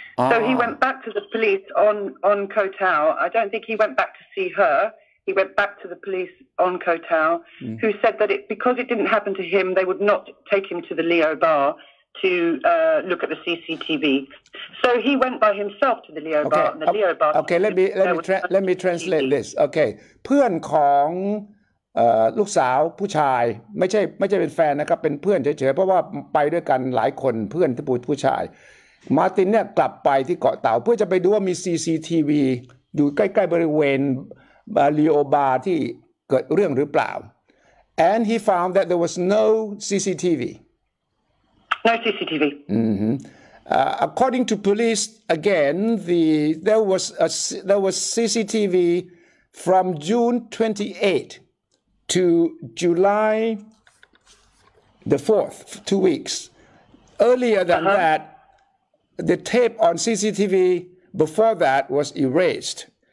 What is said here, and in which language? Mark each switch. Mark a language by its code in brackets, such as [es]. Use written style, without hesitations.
[en] So he went back to the police on Koh Tao. I don't think he went back to see her. He went back to the police on Koh Tao, who said that because it didn't happen to him, they would not take him to the Leo Bar to look at the CCTV. So he went by himself to the Leo Bar. And the Leo Bar. Okay, let me translate this. [th] Okay, เพื่อนของลูกสาวผู้ชายไม่ใช่เป็นแฟนนะครับเป็นเพื่อนเฉยๆเพราะว่าไปด้วยกันหลายคนเพื่อนผู้ชายมาร์ตินเนี่ยกลับไปที่เกาะเต่าเพื่อจะไปดูว่ามี CCTV อยู่ใกล้ๆบริเวณบาลีโอบาที่เกิดเรื่องหรือเปล่า [en] and he found that there was no CCTV no CCTV according to police again there was CCTV from June 28thTo July the 4th, 2 weeks. Earlier than that, the tape on CCTV before that was erased.